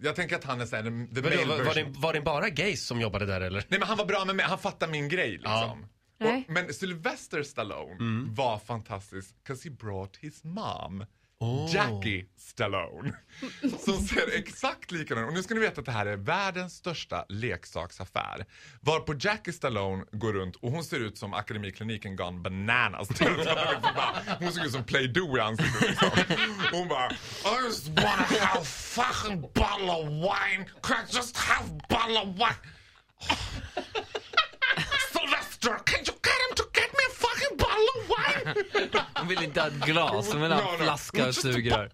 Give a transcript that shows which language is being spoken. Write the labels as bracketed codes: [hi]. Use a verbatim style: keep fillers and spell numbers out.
[sv] Jag tänker att han är såhär [en] the men, male [sv] var, var, det, version. Var det bara gays som jobbade där eller? Nej, men han var bra med, han fattar min grej liksom. Ja. Och, men Sylvester Stallone mm. var fantastisk, [en] because he brought his mom, oh. [sv] Jackie Stallone, som ser exakt likadan. Och nu ska ni veta att det här är världens största leksaksaffär, varpå Jackie Stallone går runt och hon ser ut som Akademikliniken [en] gone bananas. [sv] Hon ser ut som Play-Doh i ansiktet liksom. Hon bara, [en] I just wanna have fucking bottle of wine. Can I just have bottle of wine? Sylvester, can you get him to get me a fucking bottle of wine? [sv] Hon vill inte ha ett glas, hon vill ha en flaska och sugrör.